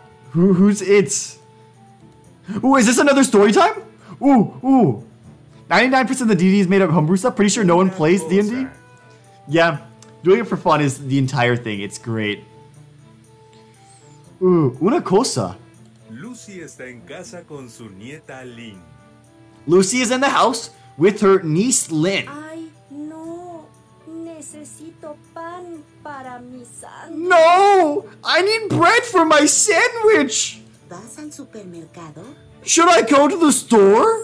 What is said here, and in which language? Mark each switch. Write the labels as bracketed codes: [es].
[en] Who's it? Ooh, is this another story time? Ooh, ooh. 99% of the D&D is made up of homebrew stuff. Pretty sure no one plays D&D. Sir. Yeah, doing it for fun is the entire thing. It's great. [es] Una cosa. Lucy está en casa con su nieta Lynn. [en] Lucy is in the house with her niece Lynn. [es] Ay, no. Necesito pan para mi sandwich. [en] No! I need bread for my sandwich! [es] ¿Vas al supermercado? [en] Should I go to the store?